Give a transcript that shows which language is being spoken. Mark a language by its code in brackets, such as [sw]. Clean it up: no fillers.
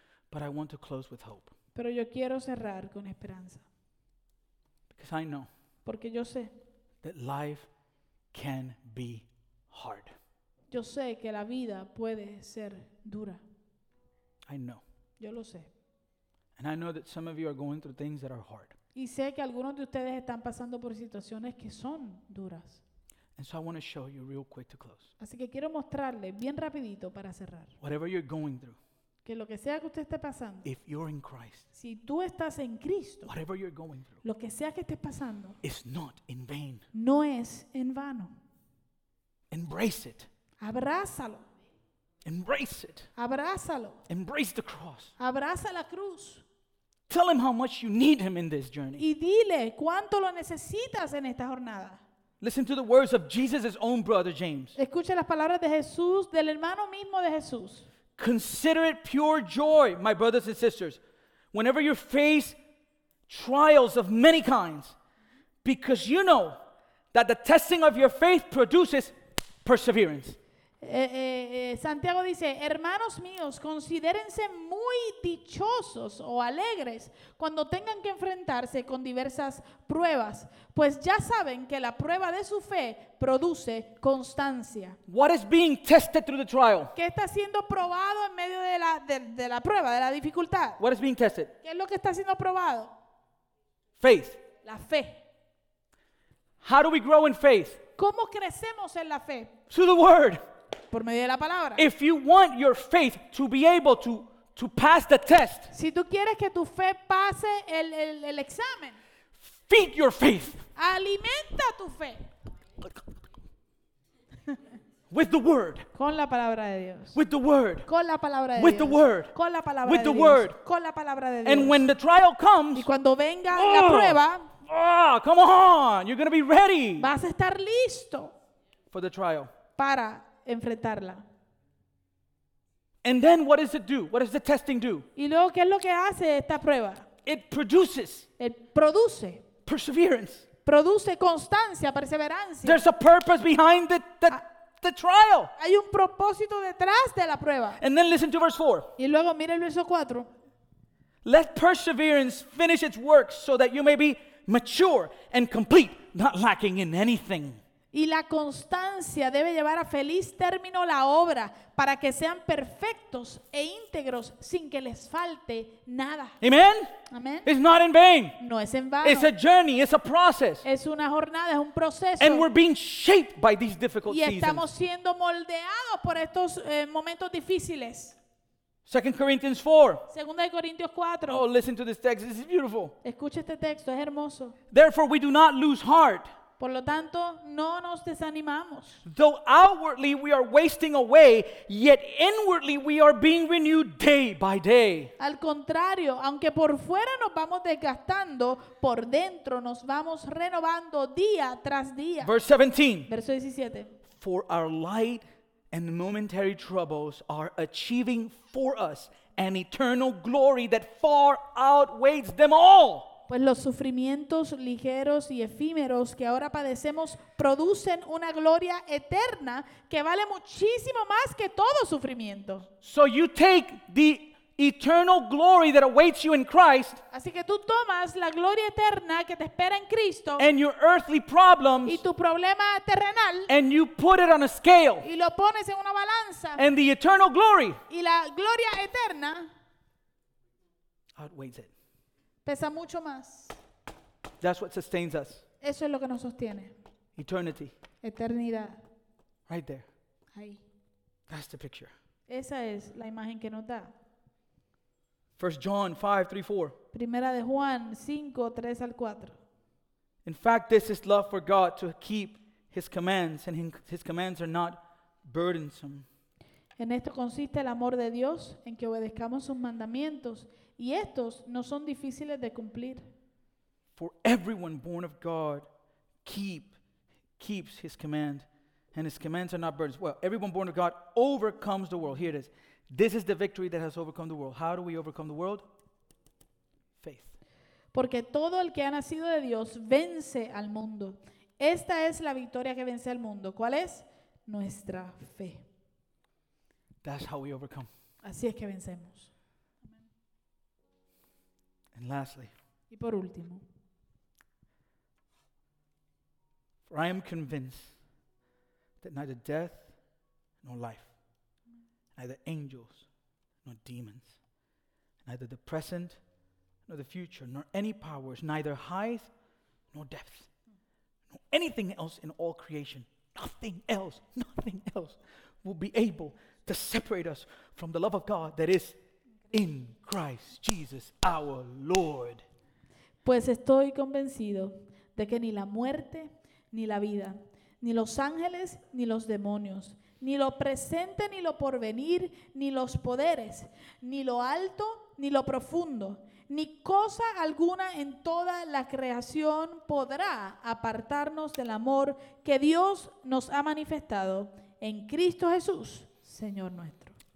[en] But I want to close with hope. [es] Pero yo quiero cerrar con esperanza. [en] Because I know. [es] Porque yo sé. [en] That life can be hard. [es] Yo sé que la vida puede ser dura. [en] I know. [es] Yo lo sé. [en] And I know that some of you are going through things that are hard. [es] Y sé que algunos de ustedes están pasando por situaciones que son duras. [en] And so I want to show you real quick to close. [es] Así que quiero mostrarle bien rapidito para cerrar. [en] Whatever you're going through. [es] Que lo que sea que usted esté pasando. [en] If you're in Christ. [es] Si tú estás en Cristo. [en] Whatever you're going through. [es] Lo que sea que estés pasando. [en] It's not in vain. [es] No es en vano. [en] Embrace it. [es] Abrázalo. [en] Embrace it. [es] Abrázalo. [en] Embrace the cross. [es] Abraza la cruz. [en] Tell him how much you need him in this journey. [es] Y dile cuánto lo necesitas en esta jornada. [en] Listen to the words of Jesus' own brother James. [es] Escucha las palabras de Jesús, del hermano mismo de Jesús. [en] Consider it pure joy, my brothers and sisters, whenever you face trials of many kinds, because you know that the testing of your faith produces perseverance. [es] Santiago dice, hermanos míos, considérense muy dichosos o alegres cuando tengan que enfrentarse con diversas pruebas, pues ya saben que la prueba de su fe produce constancia. [en] What is being tested through the trial? [es] ¿Qué está siendo probado en medio de la prueba, de la dificultad? [en] What is being tested? [es] ¿Qué es lo que está siendo probado? [en] Faith. [es] La fe. [en] How do we grow in faith? [es] ¿Cómo crecemos en la fe? [en] Through the word. [es] Por medio de la palabra. [en] If you want your faith to be able to pass the test. [es] Si tú quieres que tu fe pase el examen. [en] Feed your faith. [es] Alimenta tu fe. [en] With the word. [es] Con la palabra de Dios. [en] With the word. [es] Con la palabra de Dios. [en] With the word. [es] Con la palabra de Dios. [en] With the word. [es] Con la palabra de Dios. [en] And when the trial comes. [es] Y cuando venga la prueba. [en] Oh, come on. You're going to be ready. [es] Vas a estar listo. [en] For the trial. [es] Para enfrentarla. [en] And then what does it do? What does the testing do? [es] ¿Y luego qué es lo que hace esta prueba? [en] It produces. It produce. Perseverance. [es] Produce constancia, perseverancia. [en] There's a purpose behind the trial. [es] Hay un propósito detrás de la prueba. [en] And then listen to verse 4. [es] Y luego mira el verso 4. [en] Let perseverance finish its work so that you may be mature and complete, not lacking in anything. [es] Y la constancia debe llevar a feliz término la obra para que sean perfectos e íntegros sin que les falte nada. [en] Amen. [es] Amen. [en] It's not in vain. [es] No es en vano. [en] It's a journey. It's a process. [es] Es una jornada, es un proceso. [en] And we're being shaped by these difficult seasons. [es] Y estamos siendo moldeados por estos momentos difíciles. [en] 2 Corinthians 4. [es] Segunda de Corintios 4. [en] Oh, listen to this text. This is beautiful. [es] Escucha este texto, es hermoso. [en] Therefore, we do not lose heart. [es] Por lo tanto, no nos desanimamos. [en] Though outwardly we are wasting away, yet inwardly we are being renewed day by day. [es] Al contrario, aunque por fuera nos vamos desgastando, por dentro nos vamos renovando día tras día. [en] Verse 17. [es] Verso 17. [en] For our light and momentary troubles are achieving for us an eternal glory that far outweighs them all. [es] Pues los sufrimientos ligeros y efímeros que ahora padecemos producen una gloria eterna que vale muchísimo más que todo sufrimiento. [en] So you take the eternal glory that awaits you in Christ. [es] Así que tú tomas la gloria eterna que te espera en Cristo. [en] And your earthly problems. [es] Y tu problema terrenal. [en] And you put it on a scale. [es] Y lo pones en una balanza. [en] And the eternal glory. [es] Y la gloria eterna [en] outweighs it. [es] Pesa mucho más. [en] That's what sustains us. [es] Eso es lo que nos sostiene. [en] Eternity. [es] Eternidad. [en] Right there. [es] Ahí. [en] That's the picture. [es] Esa es la imagen que nos da. [en] 1 John 5, 3-4. [es] Primera de Juan 5, 3 al 4. [en] In fact, this is love for God, to keep his commands, and his commands are not burdensome. [es] En esto consiste el amor de Dios, en que obedezcamos sus mandamientos, y estos no son difíciles de cumplir. [en] For everyone born of God keeps his command, and his commands are not burdens. Well, everyone born of God overcomes the world. Here it is. This is the victory that has overcome the world. How do we overcome the world? Faith. [es] Porque todo el que ha nacido de Dios vence al mundo. Esta es la victoria que vence al mundo. ¿Cuál es? Nuestra fe. [en] That's how we overcome. [es] Así es que vencemos. [en] And lastly. [es] Y por último. [en] For I am convinced that neither death nor life, neither angels nor demons, neither the present nor the future, nor any powers, neither height nor depth, nor anything else in all creation, nothing else will be able to separate us from the love of God that is in Christ Jesus our Lord. [es] Pues estoy convencido de que ni la muerte, ni la vida, ni los ángeles, ni los demonios, ni lo presente, ni lo porvenir, ni los poderes, ni lo alto, ni lo profundo, ni cosa alguna en toda la creación podrá apartarnos del amor que Dios nos ha manifestado en Cristo Jesús, Señor nuestro.